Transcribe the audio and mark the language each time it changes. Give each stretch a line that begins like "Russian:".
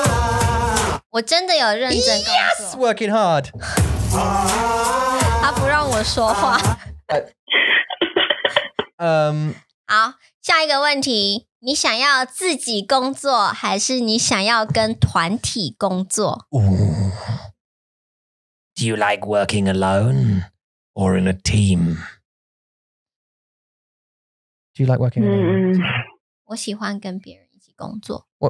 English: Yes, working hard.
Chinese: 他不让我说话。好, 下一个问题, 你想要自己工作, 还是你想要跟团体工作? Ooh.
English: Do you like working alone or in a team? Do you like working alone?
Chinese: 我喜欢跟别人一起工作。